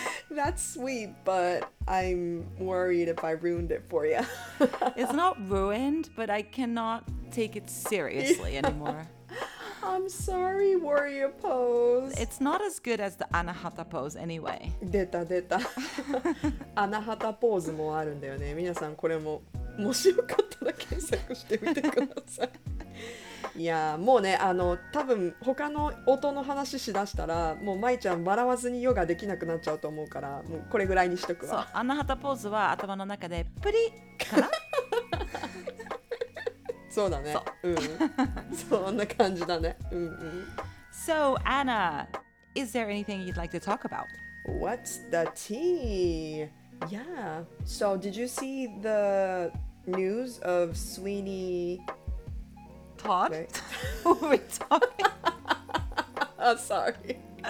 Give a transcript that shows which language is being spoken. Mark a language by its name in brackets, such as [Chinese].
[English] That's sweet, but I'm worried if I ruined it for you. It's not ruined, but I cannot take it seriously anymore. I'm sorry, warrior pose. It's not as good as the Anahata pose anyway. [Japanese] 出た出た。Anahata pose もあるんだよね。皆さんこれももしよかったら検索してみてください。いやもうね、あの多分他の音の話しだしたらもうまいちゃん笑わずにヨガできなくなっちゃうと思うから、もうこれぐらいにしとくわ。そう、Anahata pose は頭の中でプリかな。そうだね。そう。うん。そんな感じだね。うんうん。 [English] So, Anna, is there anything you'd like to talk about? What's the tea? Yeah. So, did you see the news of Sweeney... Todd? What are we talking about? Oh, sorry.